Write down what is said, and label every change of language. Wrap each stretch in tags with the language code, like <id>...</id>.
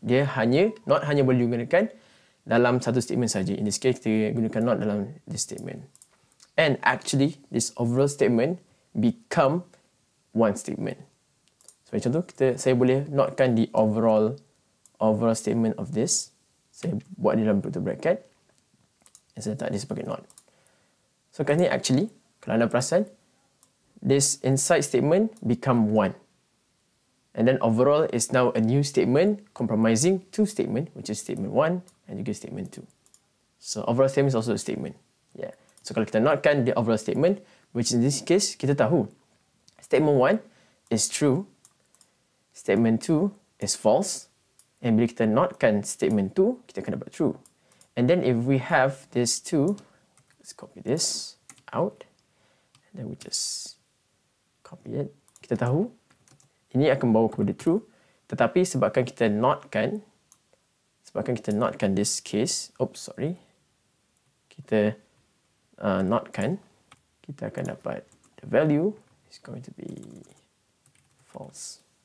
<ms>Dia hanya, not hanya boleh digunakan dalam satu statement saja.</ms> <en>In this case,</en> <ms>kita gunakan not dalam</ms> <en>this statement. And actually, this overall statement become one statement. So,</en> <ms>macam tu, saya boleh notkan</ms> <en>the overall statement of this.</en> <ms>Saya buat dalam bentuk bracket. Dan saya letak dia sebagai not. So, kat ni actually, kalau anda perasan,</ms> <en>this inside statement become one. And then overall is now a new statement compromising two statement, which is statement one and juga statement two. So, overall statement is also a statement. Yeah. So,</en> <ms>kalau kita notkan</ms> <en>the overall statement, which in this case,</en> <ms>kita tahu.</ms> <en>Statement one is true. Statement two is false.</en> <ms>And bila kita notkan statement 2, kita akan dapat true.</ms> <en>And then if we have this 2, let's copy this out. And then we just copy it.</en> <ms>Kita tahu, ini akan bawa kepada true. Tetapi sebabkan kita notkan this case, notkan, kita akan dapat</ms> <en>the value is going to be false.</en>